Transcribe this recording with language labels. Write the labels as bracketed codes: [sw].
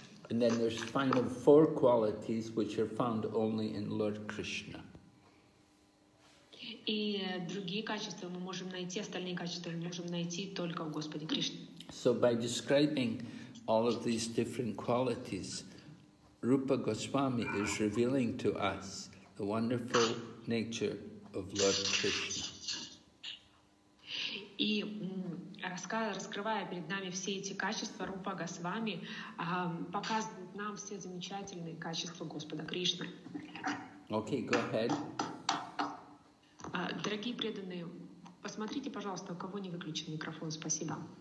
[en] And then there's final four qualities which are found only in Lord Krishna. [ru] И другие качества мы можем найти, остальные качества мы можем найти только в Господе Кришне. [en] So by describing all of these different qualities, Rupa Goswami is revealing to us the wonderful nature of Lord Krishna. [ru] И раскрывая перед нами все эти качества, Рупа Госвами показывает нам все замечательные качества Господа Кришны. [en] Okay, go ahead. [ru] Дорогие преданные, посмотрите, пожалуйста, у кого не выключен микрофон. Спасибо.